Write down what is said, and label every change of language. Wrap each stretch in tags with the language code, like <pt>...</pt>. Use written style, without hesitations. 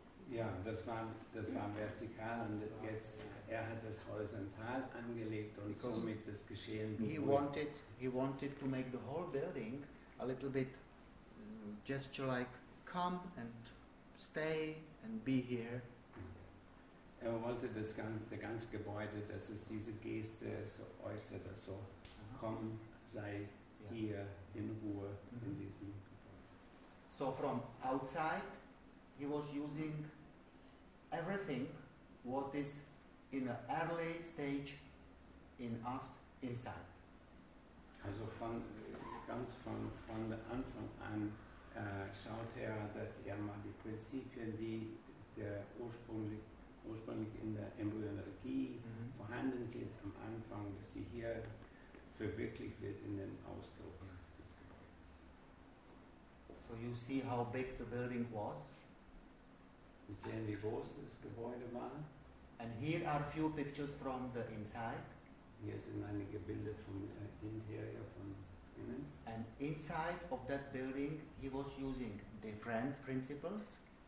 <de>Ja, das war vertikal und jetzt er hat das horizontal angelegt und somit das Geschehen.</de> <en>He wanted to make the whole building a little bit gesture like come and stay and be here.</en> <de>Er wollte das ganze Gebäude, dass es diese Geste so äußert, dass so komm, sei hier in Ruhe in diesem Gebäude.</de> <en>So from outside he was using everything what is in an early stage in us inside.</en> <de>Also ganz von der Anfang an schaut er, dass er mal die Prinzipien, die der ursprünglich in der Embryonologie vorhanden sind am Anfang, dass sie hier verwirklicht wird in den Ausdruck des Gebäudes.</de> <en>So you see how big the building was.</en> <de>Sie sehen, wie groß das Gebäude war.</de> <en>And here are a few pictures from the inside.</en> <de>Hier sind einige Bilder vom Interior von innen.</de> <en>And inside of that building, he was using different principles.</en>